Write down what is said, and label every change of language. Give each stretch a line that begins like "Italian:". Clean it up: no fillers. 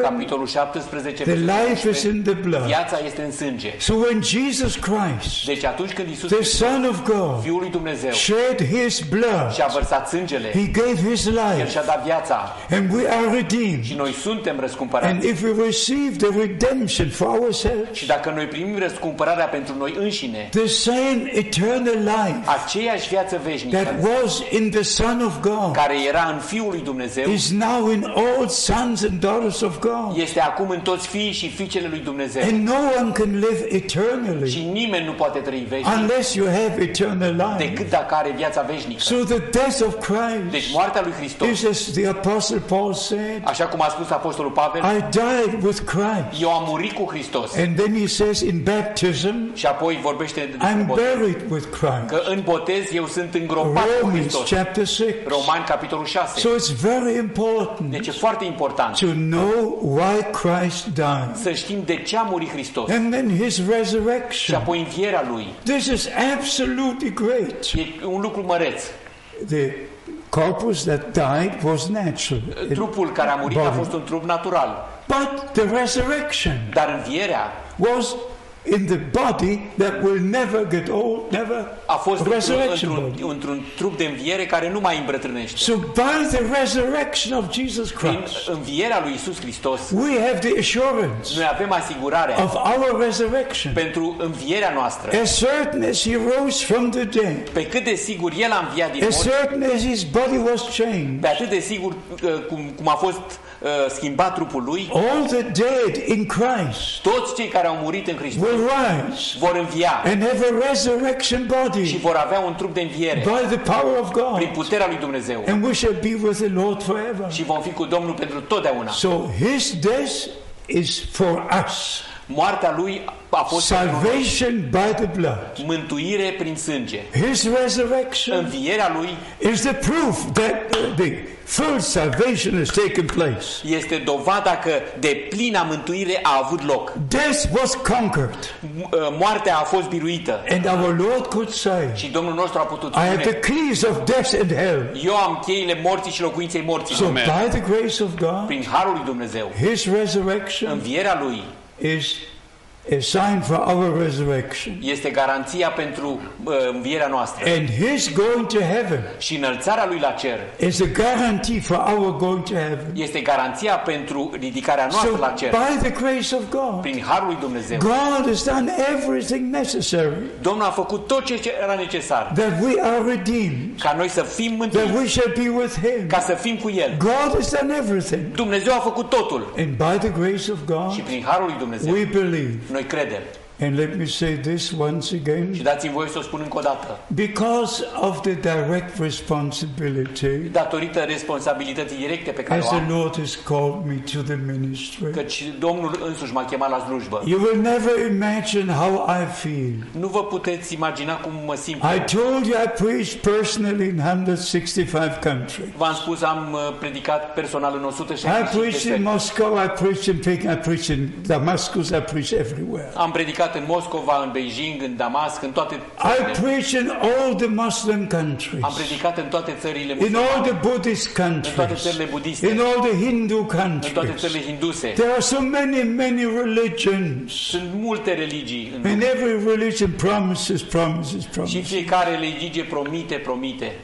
Romanian: Capitolul 17.
English: The life is in the blood.
Romanian: Viața este în sânge.
English: So when Jesus Christ.
Romanian: Deci atunci când Iisus
English: Hristos. The Son of God.
Romanian: Fiul lui Dumnezeu.
English: Shed His blood.
Romanian: Și-a vărsat sângele.
English: He gave His life.
Romanian: El și-a dat viața.
English: And we are redeemed.
Romanian: Și noi suntem răscumpărați.
English: And if we receive the redemption for ourselves.
Romanian: Și dacă noi primim răscumpărarea pentru noi înșine.
English: The same eternal life.
Romanian: Aceeași viață veșnică.
English: That was in the Son of God.
Romanian: Care era în Fiul lui Dumnezeu.
English: Is now in all sons and daughters of God.
Romanian: Este acum în toți fiii și fiicele lui Dumnezeu.
English: And no one can live eternally.
Romanian: Și nimeni nu poate trăi veșnic.
English: Unless you have eternal life.
Romanian: Decât dacă are viața veșnică.
English: So the death of Christ.
Romanian: Deci moartea lui Hristos.
English: Is the apostle Paul said.
Romanian: Așa cum a spus apostolul Pavel.
English: I died with Christ.
Romanian: Eu am murit cu Hristos.
English: And then he says in baptism.
Romanian: Și apoi vorbește
English: I'm buried with Christ. Christ.
Romanian: Că în botez eu sunt îngropat
English: Romans
Romanian: cu Hristos.
English: Chapter 6.
Romanian: Romani capitolul 6.
English: So it's very important.
Romanian: Deci e foarte important.
English: To know why Christ died.
Romanian: Să știm de ce a murit Hristos.
English: And then his resurrection.
Romanian: Și apoi învierea lui.
English: This is absolutely great.
Romanian: E un lucru măreț.
English: The corpus that died was natural.
Romanian: Trupul care a murit a fost un trup natural.
English: But the resurrection.
Romanian: Dar învierea
English: was in the body that will never get old, never.
Romanian: A fost într-un trup de înviere care nu mai îmbătrânește.
English: So by the resurrection of Jesus Christ.
Romanian: Învierea lui Iisus Hristos.
English: We have the assurance.
Romanian: Noi avem asigurarea.
English: Of our resurrection.
Romanian: Pentru învierea noastră.
English: As certain as he rose from the dead.
Romanian: Pe cât de sigur el a înviat din morți.
English: As certain as his body was changed.
Romanian: Pe atât de sigur cum a fost schimbat trupul lui.
English: All the dead in Christ.
Romanian: Toți cei care au murit în Hristos.
English: Will rise.
Romanian: Vor învia.
English: And have a resurrection body.
Romanian: Și vor avea un trup de înviere.
English: By the power of God.
Romanian: Prin puterea lui Dumnezeu.
English: And we shall be with the Lord forever.
Romanian: Și vom fi cu Domnul pentru totdeauna.
English: So his death is for us.
Romanian: Moartea lui a fost
English: salvation by the blood.
Romanian: Mântuire prin sânge.
English: His resurrection.
Romanian: Învierea lui
English: is the proof that the full salvation has taken place.
Romanian: Este dovada că deplina mântuire a avut loc.
English: Death was conquered.
Romanian: Moartea a fost biruită.
English: And our Lord could say.
Romanian: Și Domnul nostru a putut spune.
English: I have the keys of death and hell.
Romanian: Eu am cheile morții și locuinței morții.
English: So by the grace of God.
Romanian: Prin harul lui Dumnezeu.
English: His resurrection.
Romanian: Învierea lui
English: is a sign for our resurrection.
Romanian: Este garanția pentru învierea noastră.
English: And his going to heaven.
Romanian: Și înălțarea lui la cer.
English: Is a guarantee for our going to heaven.
Romanian: Este garanția pentru ridicarea noastră la cer.
English: So by the grace of God.
Romanian: Prin harul lui Dumnezeu.
English: God has done everything necessary.
Romanian: Domnul a făcut tot ce era necesar.
English: That we are redeemed.
Romanian: Ca noi să fim mântuiți.
English: That we shall be with him.
Romanian: Ca să fim cu el.
English: God has done everything.
Romanian: Dumnezeu a făcut totul.
English: And by the grace of God.
Romanian: Și prin harul lui Dumnezeu.
English: We believe.
Romanian: Noi credem.
English: And let me say this once again.
Romanian: Și dați-mi voie să o spun încă o dată.
English: Because of the direct responsibility.
Romanian: Datorită responsabilității directe pe care o am.
English: As the Lord has called me to the ministry.
Romanian: Căci Domnul însuși m-a chemat la slujbă.
English: You will never imagine how I feel.
Romanian: Nu vă puteți imagina cum mă simt.
English: I told you I preached personally in 165 countries.
Romanian: V-am spus am predicat personal în 165 de țări.
English: I preached in Moscow, I preached in Peking, I preached in Damascus, I preached everywhere.
Romanian: Am predicat în Moscova, în Beijing, în Damasc, în toate țările.
English: I preach in all the Muslim countries.
Romanian: Am predicat în toate țările musulmane.
English: In all the Buddhist countries.
Romanian: În toate țările budiste.
English: In all the Hindu countries.
Romanian: În toate țările hinduse.
English: There are so many, many religions.
Romanian: Sunt multe religii.
English: And every religion promises, promises, promises.
Romanian: Și fiecare religie promite, promite.